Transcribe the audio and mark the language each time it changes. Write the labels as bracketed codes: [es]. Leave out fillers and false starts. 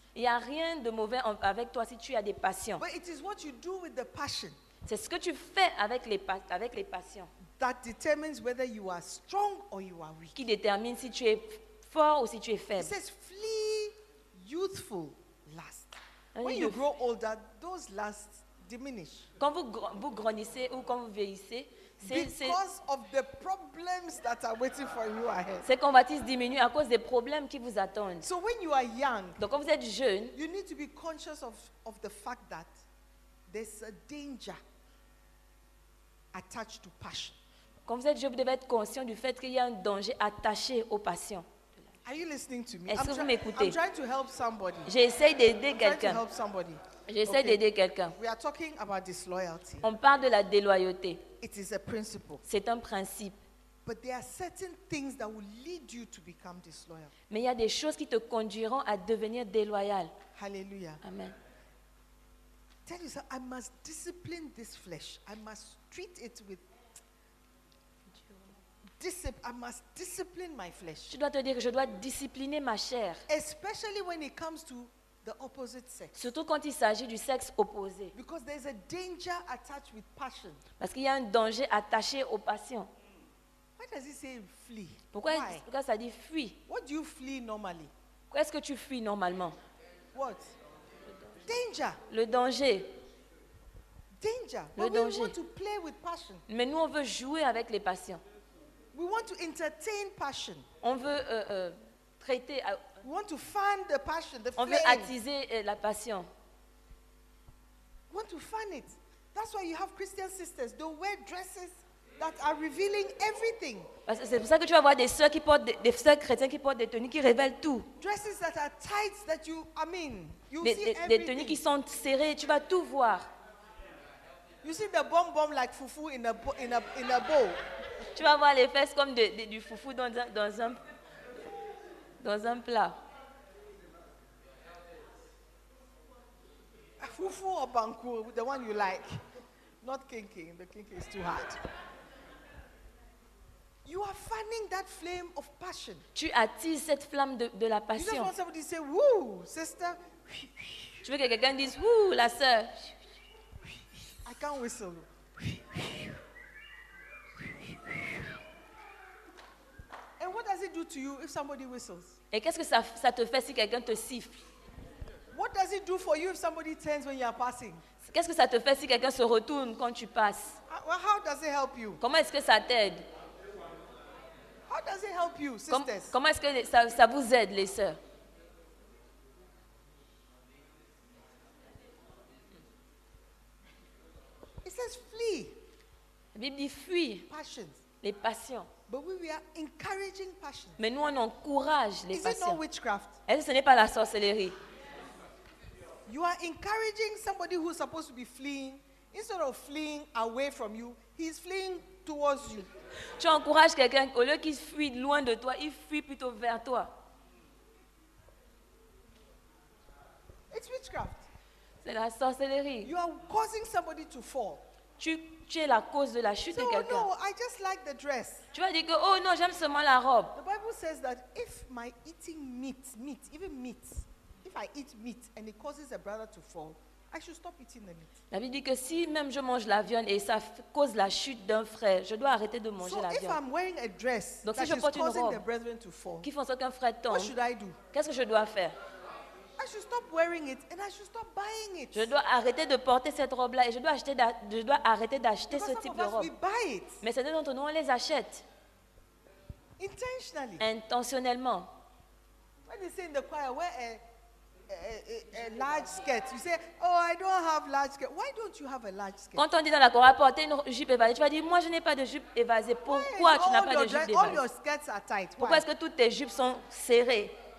[fr] Il y a rien de mauvais avec toi si tu as des passions. [en] But it is what you do with the passion. [fr] C'est ce que tu fais avec les passions. [en] That determines whether you are strong or you are weak. [fr] Qui détermine si tu es fort ou si tu es faible. [en] It says flee youthful lust. When you grow older, those lusts diminish. [fr] Quand vous grandissez ou quand vous vieillissez, [en] because of the problems that are waiting for you ahead. [fr] Ces convoitises diminuent à cause des problèmes qui vous attendent. [en] So when you are young, [fr] donc quand vous êtes jeune, [en] you need to be conscious of the fact that there's a danger attached to passion. [fr] Quand vous êtes jeune, vous devez être conscient du fait qu'il y a un danger attaché aux passions. [en] Are you listening to me? [fr] Est-ce que vous m'écoutez? [en] I'm trying to help somebody. [fr] J'essaie d'aider quelqu'un. [en] Trying to help somebody. [fr] J'essaie [en] okay. [fr] d'aider quelqu'un. [en] We are talking about disloyalty. [fr] On parle de la déloyauté. [en] It is a principle. [fr] C'est un principe. [en] But there are certain things that will lead you to become disloyal. [fr] Mais il y a des choses qui te conduiront à devenir déloyal. [en] Hallelujah. Amen. Tell yourself, I must discipline this flesh. I must treat it with I must discipline my flesh. [fr] Tu dois te dire que je dois discipliner ma chair. [en] Especially when it comes to the opposite sex. [fr] Surtout quand il s'agit du sexe opposé. [en] Because there's a danger attached with passion. [fr] Parce qu'il y a un danger attaché aux passions. [en] Why does it say flee? [fr] Pourquoi ça dit fuis? [en] What do you flee normally? [fr] Qu'est-ce que tu fuis normalement? [en] What? Danger. [fr] Le danger. [en] Danger. [fr] Le danger. [en] We want to play with passion. [fr] Mais nous on veut jouer avec les passions. [en] We want to entertain passion. [fr] On veut traiter. [en] We want to fan the passion, the [fr] on [en] flame. [fr] On veut attiser la passion. [en] We want to fan it. That's why you have Christian sisters. They wear dresses that are revealing everything. [fr] Parce que c'est pour ça que tu vas voir des sœurs qui portent des sœurs chrétiennes qui portent des tenues qui révèlent tout. [en] Dresses that are tight that you, I mean, you [fr] des, [en] see [fr] des, [en] everything. [fr] Des tenues qui sont serrées, tu vas tout voir. [en] You see the bomb bomb like fufu in a bowl. [fr] Tu vas voir les fesses comme du foufou dans un plat. [en] Foufou ou banku, the one you like. Not kinky, the kinky is too hard. You are fanning that flame of passion. [fr] Tu attises cette flamme de la passion. [en] You just want somebody to say, woo, sister. [fr] Tu veux que quelqu'un dise, woo, la sœur. [en] I can't whistle. And what does it do to you if somebody whistles? [fr] Et qu'est-ce que ça te fait si quelqu'un te siffle? [en] What does it do for you if somebody turns when you are passing? [fr] Qu'est-ce que ça te fait si quelqu'un se retourne quand tu passes? [en] How does it help you? [fr] Comment est-ce que ça t'aide? [en] How does it help you, sisters? [fr] Comment est-ce que ça vous aide, les sœurs? [en] It says flee. [fr] La Bible dit fuis. [en] Passions. [fr] Les passions. [en] But we are encouraging passion. [fr] Mais nous on encourage les [en] is [fr] passions. [en] It not witchcraft? [fr] Est-ce que ce n'est pas la sorcellerie? [en] You are encouraging somebody who's supposed to be fleeing. Instead of fleeing away from you, he's fleeing towards you. [fr] Tu encourages quelqu'un au lieu qu'il fuit loin de toi, il fuit plutôt vers toi. [en] It's witchcraft. [fr] C'est la sorcellerie. [en] You are causing somebody to fall. [fr] Tu es la cause de la chute de quelqu'un. [en] Oh, no, I just like the dress. [fr] Tu vas dire que oh non, j'aime seulement la robe. [en] The Bible says that if my eating meat, even meat, if I eat meat and it causes a brother to fall, I should stop eating the meat. [fr] La Bible dit que si même je mange la viande et ça cause la chute d'un frère, je dois arrêter de manger [en] so [fr] la viande. [en] So if I'm wearing a dress [fr] donc [en] that [fr] si je porte une robe, [en] the brethren to fall, [fr] qui font ça qu'un frère tombe, [en] what should I do? [fr] Qu'est-ce que je dois faire? [en] I should stop wearing it and I should stop buying it. [fr] Je dois arrêter de porter cette robe là et je dois arrêter d'acheter [en] because [fr] ce type de robe. [en] We buy it. [fr] Mais certains d'entre nous on les achète. [en] Intentionally. [fr] Intentionnellement. [en] When they say in the choir, wear a large skirt. You say, oh, I don't have large skirt. Why don't you have a large skirt? [fr] Quand on dit dans la choir, porter une jupe évasée, tu vas dire, moi je n'ai pas de jupe évasée. Pourquoi [en] why? [fr] Tu [en] all [fr] n'as pas de jupe évasée? [en] All your skirts are tight. [fr] Pourquoi est-ce que toutes tes jupes sont serrées?